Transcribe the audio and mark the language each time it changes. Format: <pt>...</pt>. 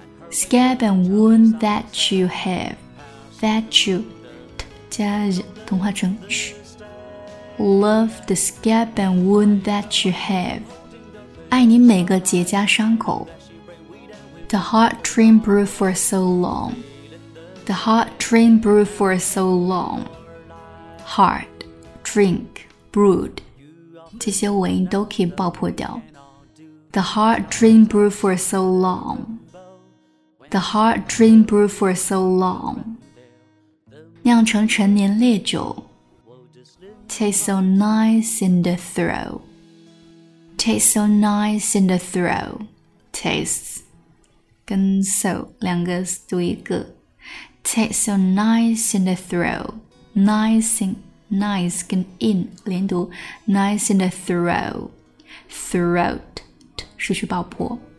<en>Scab and wound that you have. That you</en> <zh>加同化成</zh> <en>Love the scab and wound that you have.</en> <zh>爱你每个结痂伤口。</zh> <en>The hard dream brewed for so long. The hard dream brewed for so long. Hard, drink, brewed.</en> <zh>这些尾音都可以爆破掉。</zh> <en>The hard dream brewed for so long. The hard dream brewed for so long.</en> <zh>酿成陈年烈酒。</zh> <en>Taste so nice in the throat. Taste so nice in the throat.</en> <zh>Tastes 跟 so 两个读一个。</zh> <en>Taste so nice in the throat. Nice in nice 跟 in 连读。 Nice in the throat.</en> <zh>Throat 失去爆破。</zh>